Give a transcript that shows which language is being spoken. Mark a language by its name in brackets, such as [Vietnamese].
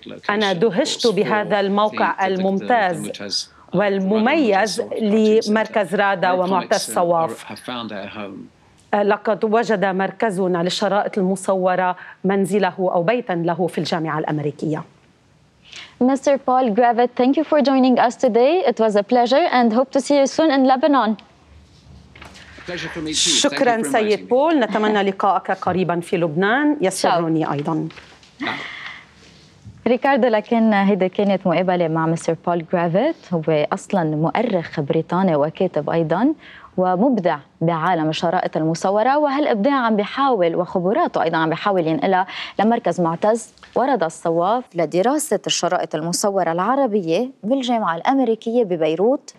[Arabic] أنا دهشت بهذا الموقع الممتاز والمميز لمركز رادا ومعتز الصواف. لقد وجد مركزنا للشرائط المصورة منزله أو بيتاً له في الجامعة الأمريكية. [English] Mr. Paul Gravett, thank you for joining us today. It was a pleasure and hope to see you soon in Lebanon. [Arabic] شكرا سيد بول، نتمنى لقائك قريبا في لبنان، يسرني ايضا. ريكاردو، لكن هذه كانت مقابلة مع مستر بول جرافيت، هو اصلا مؤرخ بريطاني وكاتب ايضا ومبدع بعالم الشرائط المصورة، وهالابداع عم بيحاول وخبراته ايضا عم بيحاول ينقلها لمركز معتز ورضا الصواف لدراسة الشرائط المصورة العربية بالجامعة الأمريكية ببيروت.